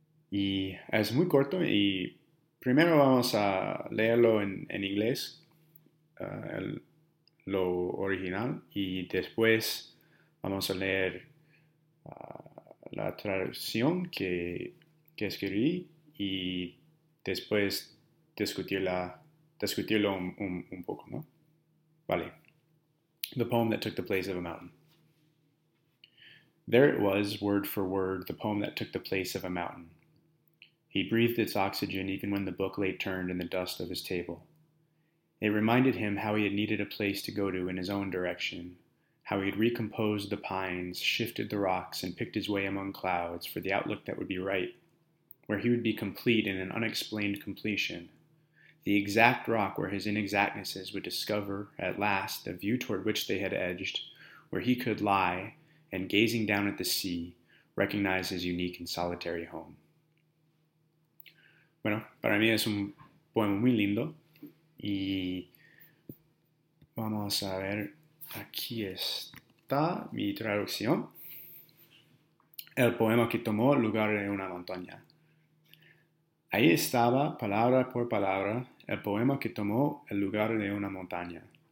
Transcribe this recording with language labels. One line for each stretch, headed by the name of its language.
Spanish: Y es muy corto y primero vamos a leerlo en inglés, lo original, y después vamos a leer la traducción que escribí y después discutirlo un poco, ¿no? Vale.
English: The poem that took the place of a mountain. There it was, word for word, the poem that took the place of a mountain. He breathed its oxygen even when the book lay turned in the dust of his table. It reminded him how he had needed a place to go to in his own direction, how he had recomposed the pines, shifted the rocks, and picked his way among clouds for the outlook that would be right, where he would be complete in an unexplained completion. The exact rock where his inexactnesses would discover, at last, the view toward which they had edged, where he could lie, and gazing down at the sea, recognize his unique and solitary home.
Spanish: Bueno, para mí es un poema muy lindo. Y vamos a ver, aquí está mi traducción. El poema que tomó lugar en una montaña. Ahí estaba, palabra por palabra, el poema que tomó el lugar de una montaña.